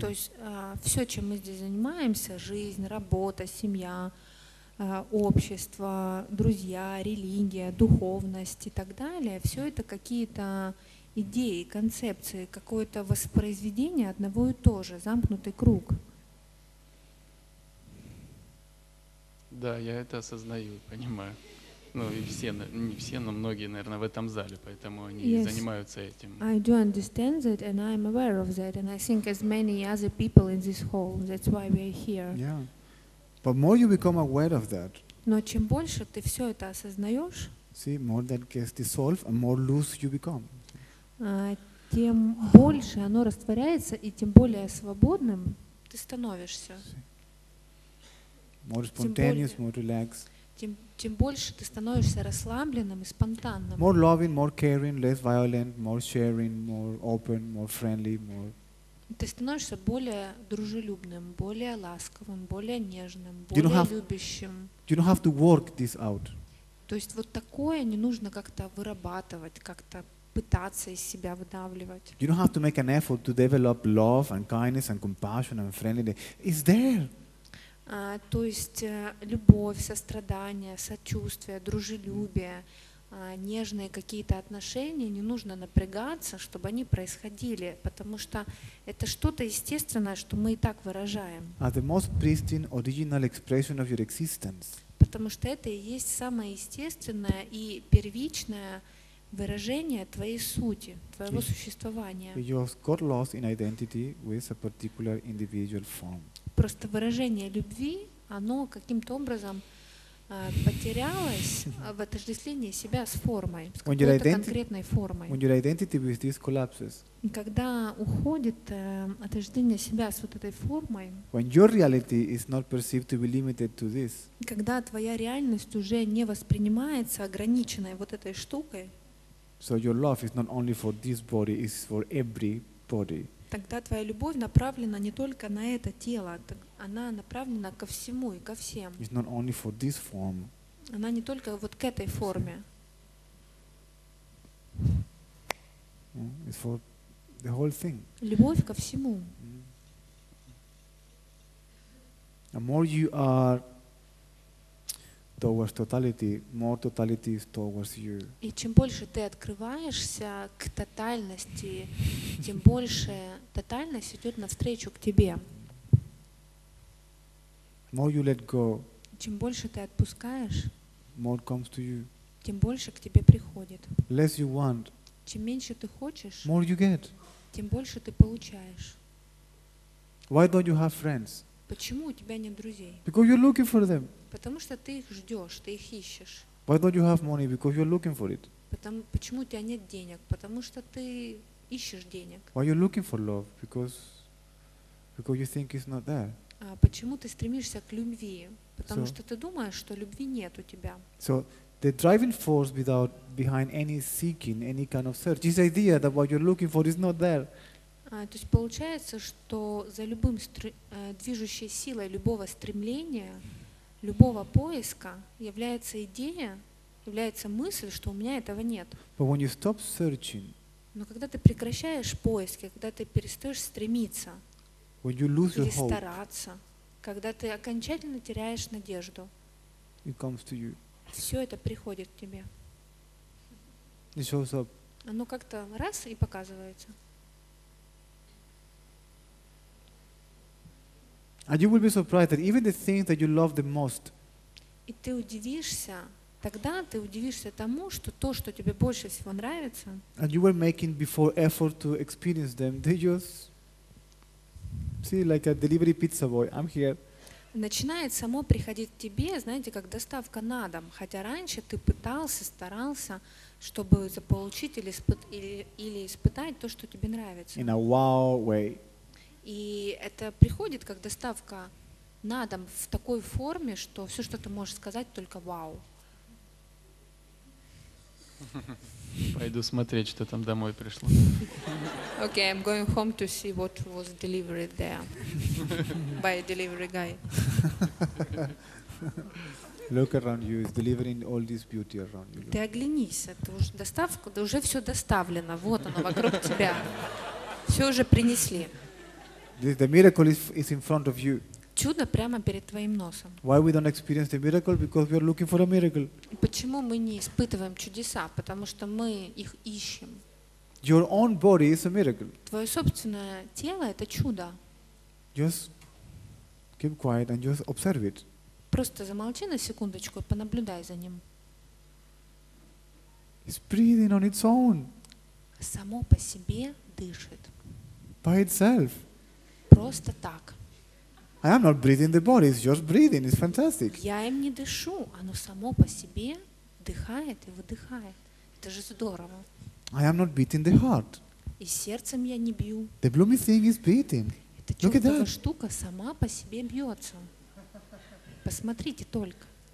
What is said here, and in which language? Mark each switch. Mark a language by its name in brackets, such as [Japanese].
[Russian] То есть все, чем мы здесь занимаемся, жизнь, работа, семья, общество, друзья, религия, духовность и так далее, все это какие-то идеи, концепции, какое-то воспроизведение одного и того же, замкнутый круг. Да, я это осознаю, понимаю. Ну и все, не все, но многие, наверное, в этом зале, поэтому они [English] yes. [Russian] занимаются этим. [English] I do understand that, and I am aware of that, and I think as many other people in this hall, that's why we are here. Yeah, but more you become aware of that. [Russian] Но чем больше ты все это осознаешь, [English] see, more that gets dissolved, and more loose you become. [Russian] Тем больше оно растворяется, и тем более свободным ты становишься. [English] More spontaneous, more relaxed. [Russian] Тем больше ты становишься расслабленным и спонтанным. [English] More loving, more caring, less violent, more sharing, more open, more friendly, more. [Russian] Ты становишься более дружелюбным, более ласковым, более нежным, более любящим. [English] You don't have to work this out. [Russian] То есть вот такое не нужно как-то вырабатывать, как-то пытаться из себя выдавливать. [English] You don't have to make an effort to develop love and kindness and compassion and friendliness. It's there. [Russian] То есть любовь, сострадание, сочувствие, дружелюбие, нежные какие-то отношения, не нужно напрягаться, чтобы они происходили, потому что это что-то естественное, что мы и так выражаем. [English] Are the most pristine original expression of your existence. [Russian] Потому что это и есть самое естественное и первичное выражение твоей сути, твоего существования. [English] You've got lost in identity with a particular individual form. [Russian] Просто выражение любви, оно каким-то образом потерялось в отождествлении себя с формой, с какой-то конкретной формой. [English] When your identity with this collapses. [Russian] Когда уходит отождествление себя с вот этой формой. [English] When your reality is not perceived to be limited to this. [Russian] Когда твоя реальность уже не воспринимается ограниченной вот этой штукой. [English] So your love is not only for this body, it's for every body. [Russian] Тогда твоя любовь направлена не только на это тело, она направлена ко всему и ко всем. [English] It's not only for this form. [Russian] Она не только вот к этой форме. [English] It's for the whole thing. [Russian] Любовь ко всему. [English] The more you are towards totality, more totality is towards you. [Russian] И чем больше ты открываешься к тотальности, тем больше тотальность идет навстречу к тебе. [English] More you let go. [Russian] Чем больше ты отпускаешь, [English] more comes to you. [Russian] Тем больше к тебе приходит. [English] Less you want. [Russian] Чем меньше ты хочешь, [English] more you get. [Russian] Тем больше ты получаешь. [English] Why don't you have friends? [Russian] Почему у тебя нет друзей? [English] Because you're looking for them. [Russian] Потому что ты их ждешь, ты их ищешь. [English] Why don't you have money? Because you're looking for it. [Russian] Почему у тебя нет денег? Потому что ты ищешь денег. [English] Why you're looking for love? Because you think it's not there. [Russian] А почему ты стремишься к любви? Потому что ты думаешь, что любви нет у тебя. [English] So the driving force without behind any seeking, any kind of search, this idea that what you're looking for is not there. [Russian] То есть получается, что за любым движущей силой любого стремления, любого поиска является идея, является мысль, что у меня этого нет. [English] But when you stop searching, [Russian] но когда ты прекращаешь поиски, когда ты перестаешь стремиться [English] when you lose [Russian] или [English] your [Russian] стараться, [English] hope, [Russian] когда ты окончательно теряешь надежду, [English] it comes to you. [Russian] Все это приходит к тебе. [English] It shows up. [Russian] Оно как-то раз и показывается. [English] And you will be surprised that even the things that you love the most. [Russian] И ты удивишься, тогда ты удивишься тому, что то, что тебе больше всего нравится. [English] And you were making before effort to experience them. They just see like a delivery pizza boy. I'm here. [Russian] Начинает само приходить к тебе, знаете, как доставка на дом. Хотя раньше ты пытался, старался, чтобы заполучить или испытать то, что тебе нравится. [English] In a wow way. [Russian] И это приходит как доставка на дом в такой форме, что все, что ты можешь сказать, только вау. Пойду смотреть, что там домой пришло. [English] Okay, I'm going home to see what was delivered there by a delivery guy. Look around you, it's delivering all this beauty around you. [Russian] Ты оглянись, это уже доставка, да уже все доставлено, вот оно вокруг тебя, все уже принесли. [English] The miracle is in front of you. [Russian] Чудо прямо перед твоим носом. [English] Why we don't experience the miracle? Because we are looking for a miracle. [Russian] Почему мы не испытываем чудеса? Потому что мы их ищем. [English] Your own body is a miracle. [Russian] Твое собственное тело это чудо. [English] Just keep quiet and just observe it. [Russian] Просто замолчи на секундочку и понаблюдай за ним. [English] It's breathing on its own. [Russian] Само по себе дышит. [English] By itself. [Russian] Просто так. [English] I am not breathing the body, it's just breathing, it's fantastic. [Russian] Я им не дышу, оно само по себе дыхает и выдыхает. Это же здорово. [English] I am not beating the heart. [Russian] И сердцем я не бью. [English] The blooming thing is beating. [Russian] Это чудовая штука сама по себе бьется. Посмотрите только.